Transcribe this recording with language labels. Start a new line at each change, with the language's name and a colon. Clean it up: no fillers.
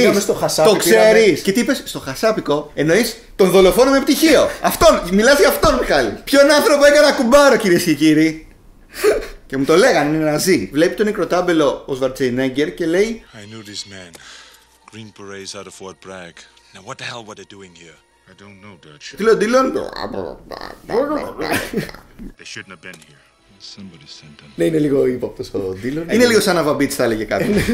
Greek: Πήγαμε στο χασάπικο. Το ξέρεις. Και τι είπες, στο χασάπικο εννοείς τον δολοφόνο με πτυχίο. Αυτόν. Μιλάς για αυτόν, Μιχάλη. Ποιον άνθρωπο έκανα κουμπάρο, κυρίες και κύριοι. Και μου το λέγανε, είναι Ναζί. Βλέπει τον νεκροτάμπελο ο Σβαρτσενέγκερ και λέει:
English: I knew this man. Green Berets out of Fort Bragg. Now what the hell were they doing here? I don't know, Dutch. Τιλον. They shouldn't have been here. Somebody sent them.
Greek: Ναι, είναι λίγο ύποπτο ο Τιλον. Είναι λίγο σαν αβαμπίτς, θα έλεγε κάποιο.